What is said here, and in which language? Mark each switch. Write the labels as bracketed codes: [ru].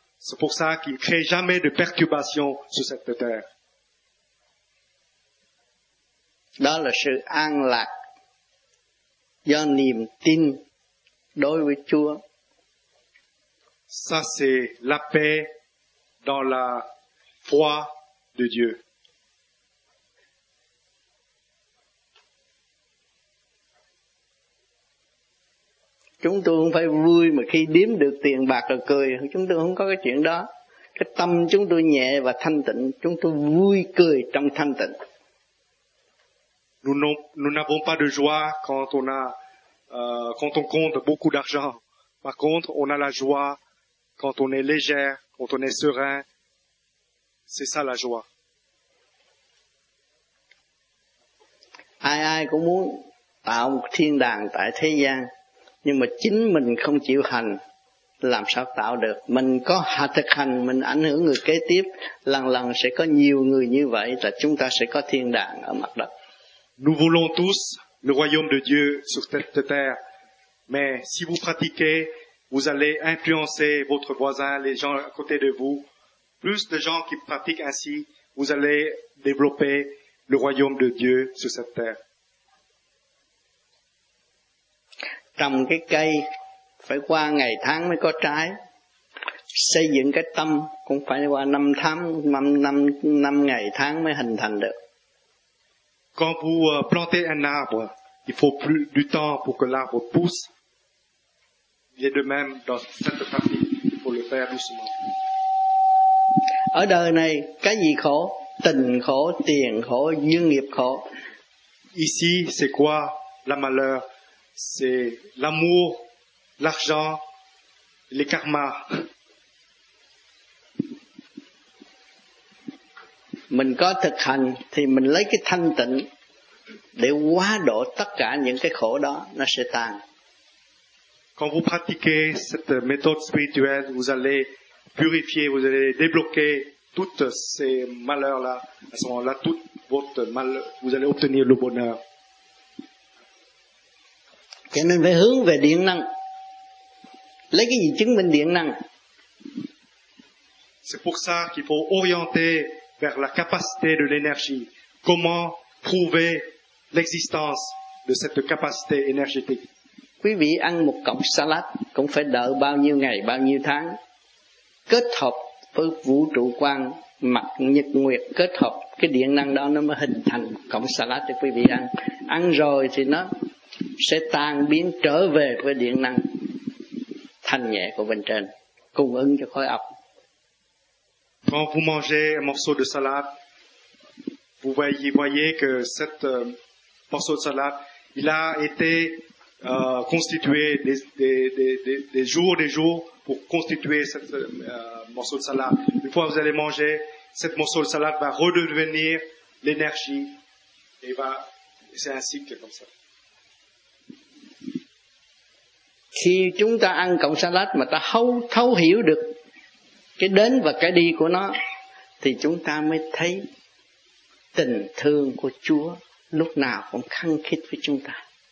[fr] C'est pour ça qu'ils ne créent jamais de perturbation sur cette terre. [vi] Đó là sự an lạc do niềm tin đối với Chúa. [fr] Ça, c'est la paix dans la foi de Dieu. [vi] Chúng tôi không phải vui mà khi đếm được tiền bạc rồi cười, chúng tôi không có cái chuyện đó. Cái tâm chúng tôi nhẹ và thanh tịnh, chúng tôi vui cười trong thanh tịnh. [fr] Nous n'avons pas de joie quand on a quand on compte beaucoup d'argent. Par contre, on a la joie quand on est légère, quand on est serein. C'est ça la joie. [vi] Ai ai cũng muốn tạo một thiên đàng tại thế gian, nhưng mà chính mình không chịu hành, làm sao tạo được? Mình có hạ thực hành, mình ảnh hưởng người kế tiếp, lần lần sẽ có nhiều người như vậy, là chúng ta sẽ có thiên đàng ở mặt đất. [fr] Nous voulons tous le royaume de Dieu sur cette terre, mais si vous pratiquez, vous allez influencer votre voisin, les gens à côté de vous. Plus de gens qui pratiquent ainsi, vous allez développer le royaume de Dieu sur cette terre. [vi] Trồng cái cây phải qua ngày tháng mới có trái, xây dựng cái tâm cũng phải qua năm tháng, năm ngày tháng mới hình thành được. [fr] Quand vous plantez un arbre, il faut plus du temps pour que l'arbre pousse. Il est de même dans cette partie, il faut le faire doucement. [vi] Ở đời này cái gì khổ? Tình khổ, tiền khổ, duyên nghiệp khổ. [fr] Ici c'est quoi la malheur? C'est l'amour, l'argent, les karmas. [vi] Mình có thực hành thì mình lấy cái thanh tịnh để hóa độ tất cả những cái khổ đó, nó sẽ tan. [fr] Quand vous pratiquez cette méthode spirituelle, vous allez purifier, vous allez débloquer toutes ces malheurs-là. À ce moment-là, tout votre mal, vous allez obtenir le bonheur. [vi] Cho nên phải hướng về điện năng. Lấy cái gì chứng minh điện năng? [fr] C'est pour ça qu'il faut orienter vers la capacité de l'énergie. Comment prouver l'existence de cette capacité énergétique? [vi] Quý vị ăn một cọng salad cũng phải đợi bao nhiêu ngày, bao nhiêu tháng. Kết hợp với vũ trụ quan, mặt nhật nguyệt kết hợp, cái điện năng đó nó mới hình thành cọng salad cho quý vị ăn. Ăn rồi thì nó sẽ tan biến trở về với điện năng thanh nhẹ của bên trên, cung ứng cho khối óc. [fr] Quand vous mangez un morceau de salade, vous voyez que cette morceau de salade, il a été constitué des jours, des jours pour constituer cette morceau de salade. Une fois que vous allez manger, cette morceau de salade va redevenir l'énergie et va, c'est un cycle comme ça. [vi] Khi chúng ta ăn cọng salad mà ta thấu hiểu được cái đến và cái đi của nó, thì chúng ta mới thấy tình thương của Chúa lúc nào cũng khăng khít với chúng ta.